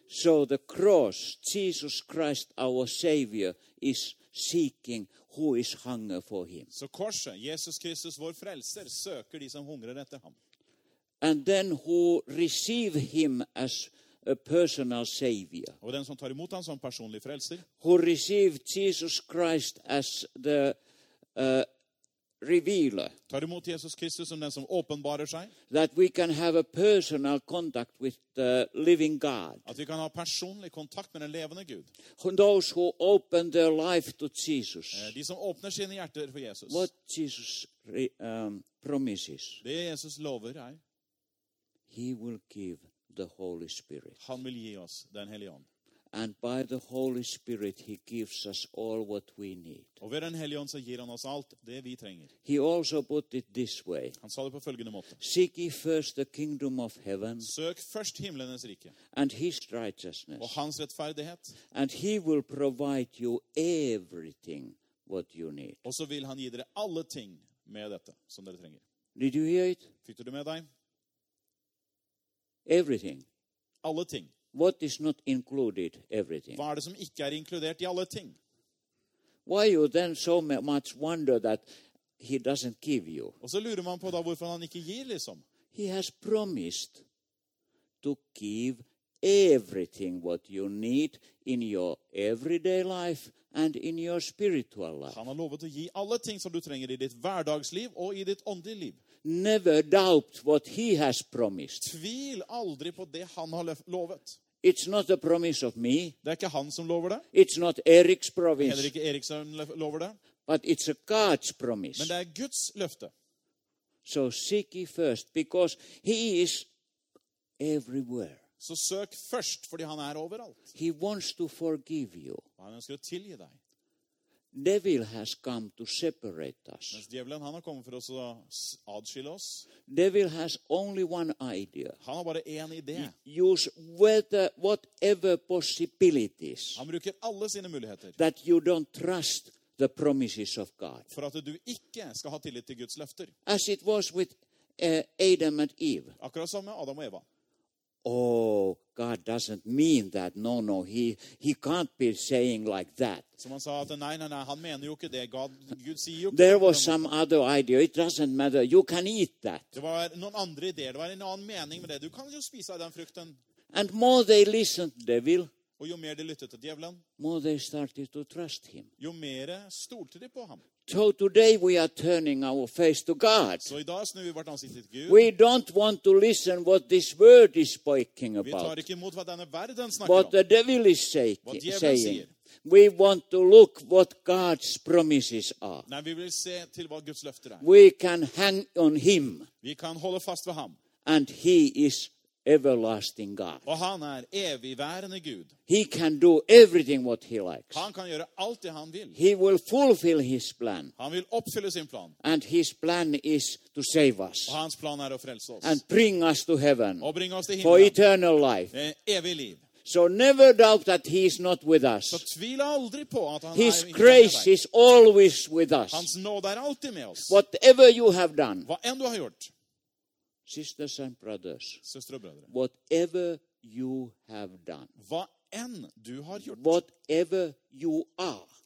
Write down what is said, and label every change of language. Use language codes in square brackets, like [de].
[en] So the cross, Jesus Christ, our Savior, is seeking who is hunger for him. [no] Så korset, Jesus Kristus, vår frelser, søker de som hungrer etter ham. [en] And then who receive him as a personal savior. [no] Og den som tar imot ham som personlig frelser. [en] Who receive Jesus Christ as the revealer. [no] Tar imot Jesus Kristus som den som åpenbarer seg. [en] That we can have a personal contact with the living God. [no] At vi kan ha personlig kontakt med den levende Gud. [en] Those who open their life to Jesus. [no] De som åpner sine hjerter for Jesus. [en] What Jesus promises. [no] Det Jesus lover er. [en] He will give the Holy Spirit. [no] Han vil gi oss den hellige ånd. [en] And by the Holy Spirit, he gives us all what we need. [no] Och ved den hellige ånd så gir han oss allt det vi trenger. [en] He also put it this way. [no] Han sa det på følgende måte. [en] Seek ye first the kingdom of heaven. [sv] Sök först himlens rike. [en] And his righteousness. [sv] Och hans rättfärdighet. [en] And he will provide you everything what you need. [sv] Och så vill han ge dere alla ting med detta som dere trenger. [en] Did you hear it? [no] Fikk du med deg? [en] Everything. [sv] Alla ting. [en] What is not included everything? [sv] Vad är det som inte är inkluderat I alla ting? [en] Why you then so much wonder that he doesn't give you? [sv] Och så lurer man på då varför han inte ger liksom. [en] He has promised to give everything what you need in your everyday life and in your spiritual life. [sv] Han har lovat att ge alla ting som du trenger I ditt vardagsliv och I ditt andliga liv. [en] Never doubt what he has promised. [sv] Tvil aldrig på det han har lovat. [en] It's not a promise of me. [no] Det ikke han som lover det. [en] It's not Eric's promise. [no] Heller ikke Erik som lover det. [en] But it's a God's promise. [no] Men det Guds løfte. [en] So seek ye first, because he is everywhere. [no] Så søk først, fordi han overalt. [en] He wants to forgive you. [no] Han ønsker å tilgi deg. [en] Devil has come to separate us. [sv] Men djävulen han har kommit för oss att adskilja oss. [en] Devil has only one idea. [sv] Han har bara en idé. [en] Use whatever possibilities. [sv] Han brukar alla sina möjligheter. [en] That you don't trust the promises of God. [sv] För att du inte ska ha tillit till Guds löften. [en] As it was with Adam and Eve. [sv] Akkurat som med Adam och Eva. [en] Oh, God doesn't mean that. No, no, he can't be saying like that. [sv] Som han sa att nej, han menar ju inte det. Gud säger ju. [en] There was some other idea. It doesn't matter. You can eat that. [sv] Det var någon andra idé. Det var en annan mening med det. Du kan ju spisa den frukten. [en] And more they listened, devil. [sv] Och ju mer de lyssnade till djävulen. [en] More they started to trust him. [sv] Ju mer stolte de på honom. [en] So today we are turning our face to God. [sv] Så idag snur vi vårt ansikte till Gud. [en] We don't want to listen what this world is speaking about. [sv] Vi tar inte emot vad denna världen snackar om. [en] What the devil is saying. We want to look what God's promises are. [sv] Nej, vi vill se till vad Guds löfter är. [en] We can hang on him. [sv] Vi kan hålla fast vid ham. [en] And he is everlasting God. [sv] Och han är evigvarande Gud. [en] He can do everything what he likes. [sv] Han kan göra allt det han vill. [en] He will fulfill his plan. [sv] Han vill uppfylla sin plan. [en] And his plan is to save us. [sv] Och hans plan är att frälsa oss. [en] And bring us to heaven. [sv] Och bringa oss till [en] himlen. For eternal life. [sv] Evigt liv. [en] So never doubt that he is not with us. [sv] Så tvivla aldrig på att han är med oss. [en] His grace is always with us. [sv] Hans nåd är alltid med oss. [en] Whatever you have done. [sv] Vad än du har gjort. [en] Sisters and brothers, [sv] systrar och bröder, [en] whatever you have done, [sv] vad än du har gjort, [en] whatever you are,